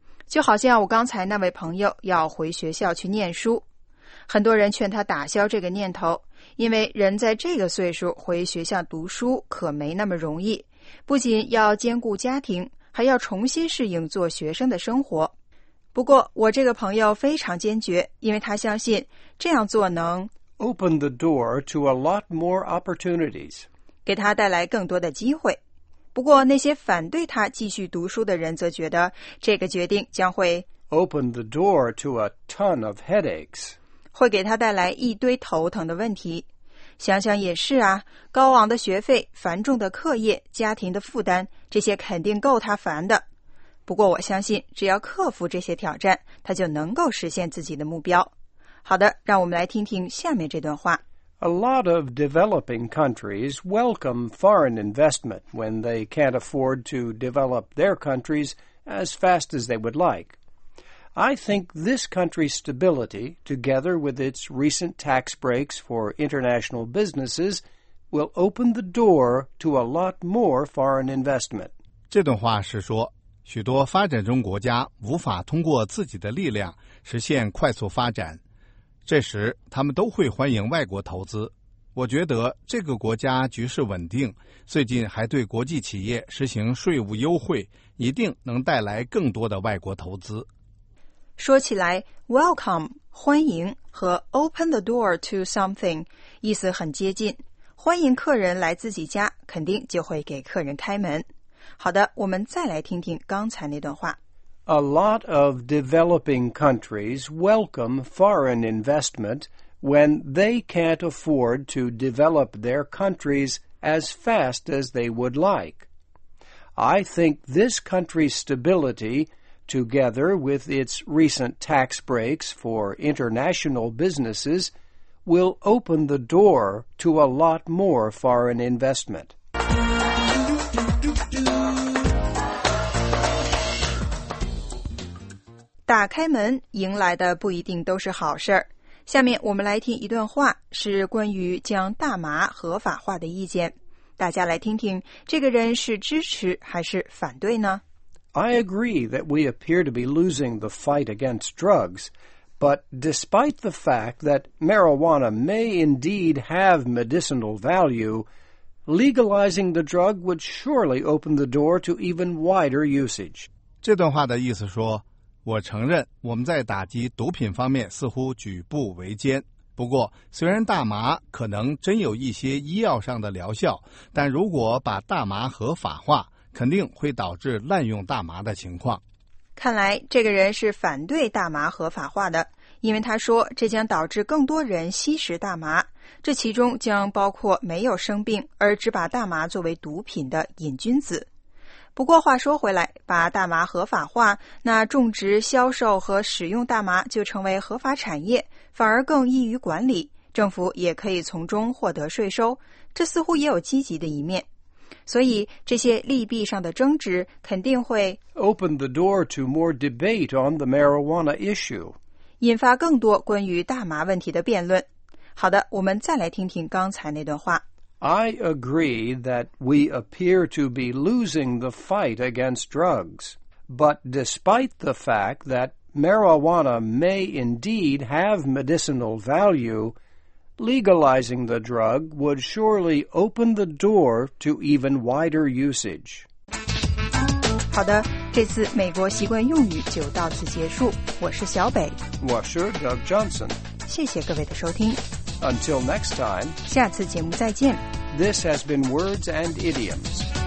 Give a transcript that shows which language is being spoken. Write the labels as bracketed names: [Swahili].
[Chinese] 就好像我刚才那位朋友要回学校去念书，很多人劝他打消这个念头，因为人在这个岁数回学校读书可没那么容易，不仅要兼顾家庭，还要重新适应做学生的生活。不过我这个朋友非常坚决，因为他相信这样做能 [English] Open the door to a lot more opportunities， [Chinese] 给他带来更多的机会。不过那些反对他继续读书的人则觉得这个决定将会 [English] Open the door to a ton of headaches， [Chinese] 会给他带来一堆头疼的问题。想想也是啊，高昂的学费、繁重的课业、家庭的负担，这些肯定够他烦的。不过我相信只要克服这些挑战，他就能够实现自己的目标。好的，让我们来听听下面这段话。 [English] A lot of developing countries welcome foreign investment when they can't afford to develop their countries as fast as they would like. I think this country's stability, together with its recent tax breaks for international businesses, will open the door to a lot more foreign investment. [Chinese] 这段话是说许多发展中国家无法通过自己的力量实现快速发展，这时他们都会欢迎外国投资。我觉得这个国家局势稳定，最近还对国际企业实行税务优惠，一定能带来更多的外国投资。说起来 welcome 欢迎和 [English] open the door to something [Chinese] 意思很接近，欢迎客人来自己家，肯定就会给客人开门。好的，我们再来听听刚才那段话。 [English] A lot of developing countries welcome foreign investment when they can't afford to develop their countries as fast as they would like. I think this country's stability, together with its recent tax breaks for international businesses, will open the door to a lot more foreign investment. [Chinese] 打开门，迎来的不一定都是好事儿。下面我们来听一段话，是关于将大麻合法化的意见。大家来听听，这个人是支持还是反对呢？ [English] I agree that we appear to be losing the fight against drugs, but despite the fact that marijuana may indeed have medicinal value, legalizing the drug would surely open the door to even wider usage. [Chinese] 这段话的意思说，我承认我们在打击毒品方面似乎举步维艰，不过虽然大麻可能真有一些医药上的疗效，但如果把大麻合法化，肯定会导致滥用大麻的情况。看来这个人是反对大麻合法化的，因为他说这将导致更多人吸食大麻，这其中将包括没有生病而只把大麻作为毒品的瘾君子。不过话说回来，把大麻合法化，那种植、销售和使用大麻就成为合法产业，反而更易于管理，政府也可以从中获得税收，这似乎也有积极的一面。所以这些利弊上的争执肯定会 [English] open the door to more debate on the marijuana issue， [Chinese] 引发更多关于大麻问题的辩论。好的，我们再来听听刚才那段话。 [English] I agree that we appear to be losing the fight against drugs, but despite the fact that marijuana may indeed have medicinal value, legalizing the drug would surely open the door to even wider usage. [Chinese] 好的，这次美国习惯用语就到此结束。我是小北，我是 Doug Johnson。谢谢各位的收听。 [English] Until next time, [Chinese] 下次节目再见。 [English] This has been Words and Idioms.